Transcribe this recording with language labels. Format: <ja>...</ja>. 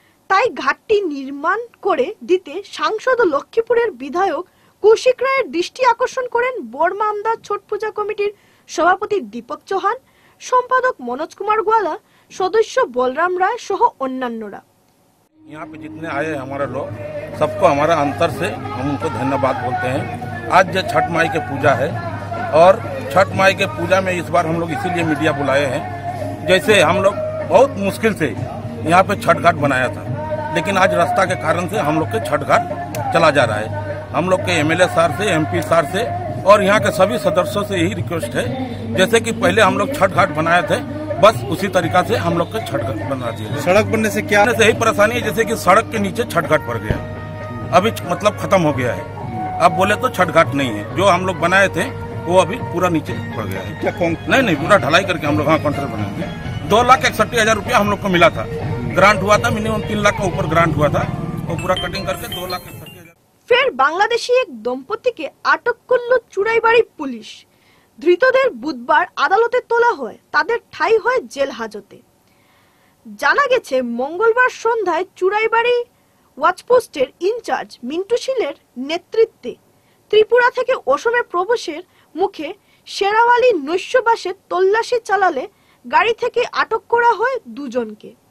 <bn>তাই ঘাটটি নির্মাণ করে দিতে সাংসদ লক্ষ্মীপুরের বিধায়ক কৌশিক রায়ের দৃষ্টি আকর্ষণ করেন বর্মান্দা ছট পূজা কমিটির সভাপতি দীপক চৌহান, সম্পাদক মনোজ কুমার গোয়ালা, সদস্য বলরাম রায় সহ অন্যান্যরা।</bn> <hi>यहाँ पे जितने आए हमारे लोग, सबको हमारा अंतर से हम उनको धन्यवाद बोलते हैं। आज जो छठ माई की पूजा है और छठ माई के पूजा में इस बार हम लोग इसीलिए मीडिया बुलाए हैं, जैसे हम लोग बहुत मुश्किल से यहाँ पे छठ घाट बनाया था, लेकिन आज रास्ता के कारण से हम लोग के छठ घाट चला जा रहा है। हम लोग के MLA सार से, MP सार से और यहाँ के सभी सदस्यों से यही रिक्वेस्ट है, जैसे कि पहले हम लोग छठ घाट बनाए थे बस उसी तरीका से हम लोग के छठ घाट बना दिए। सड़क बनने से क्या से यही परेशानी है, जैसे कि सड़क के नीचे छठ घाट पड़ गया, अभी मतलब खत्म हो गया है, अब बोले तो छठ घाट नहीं है, जो हम लोग बनाए थे वो अभी पूरा नीचे पड़ गया है। नहीं पूरा ढलाई करके हम लोग वहाँ कॉन्ट्रैक्ट बनाएंगे। 2,61,000 रुपया हम लोग को मिला था, ग्रांट हुआ था मिनिमम 3,00,000 का ऊपर ग्रांट हुआ था, वो पूरा कटिंग करके 2,61,000।</hi> <bn>फिर बांग्लादेशी एक दंपति के अटक करलो चुड़ाईबाड़ी पुलिस। ধৃতদের বুধবার আদালতে তোলা হয়, তাদের ঠাই হয় জেল হাজতে। জানা গেছে মঙ্গলবার সন্ধ্যায় চুড়াইবাড়ি ওয়াচপোস্টের ইনচার্জ মিন্টু শীলের নেতৃত্বে ত্রিপুরা থেকে অসমে প্রবেশের মুখে শেরাওয়ালি নৈশবাসে তল্লাশি চালালে গাড়ি থেকে আটক করা হয় দুজনকে।</bn>